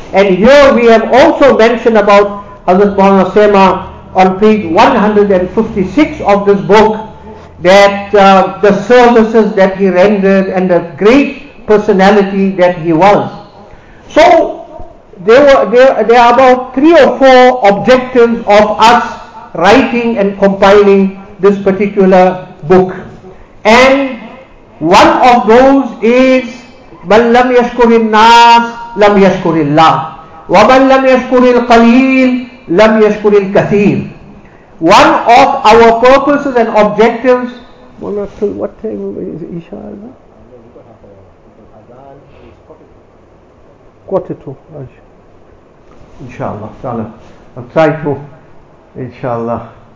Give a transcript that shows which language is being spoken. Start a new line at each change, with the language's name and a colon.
English: And here we have also mentioned about Hazrat Maulana Sema on page 156 of this book, that the services that he rendered and the great personality that he was. So there are about three or four objectives of us writing and compiling this particular book. And one of those is
Arabic: مَنْ لَمْ يَشْكُرِ النَّاسِ لَمْ يَشْكُرِ اللَّهِ وَمَنْ لَمْ يَشْكُرِ الْقَلِيلِ لَمْ يَشْكُرِ الْكَثِيرِ.
English: One of our purposes and objectives, one or two, what time is it, Isha? Quarter to, inshallah, I'll try to, inshallah.